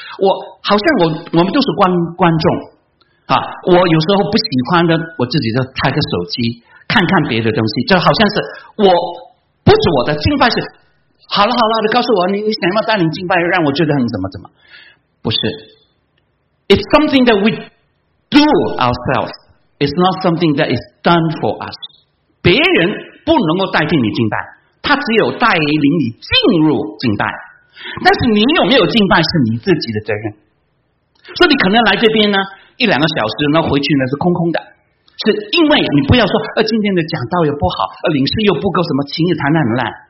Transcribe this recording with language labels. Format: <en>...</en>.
<zh>我好像我们都是观众，啊，我有时候不喜欢的，我自己就开个手机。看看别的东西，就好像是我不是我的敬拜是好了好了，你告诉我你想要带领敬拜，让我觉得很怎么，不是。</zh> <en>It's something that we do ourselves. It's not something that is done for us.</en> <zh>别人不能够代替你敬拜，他只有带领你进入敬拜。但是你有没有敬拜是你自己的责任。所以你可能来这边呢一两个小时，那回去呢是空空的。是因为你不要说，今天的讲道又不好，领事又不够，什么情也谈得很烂。</zh>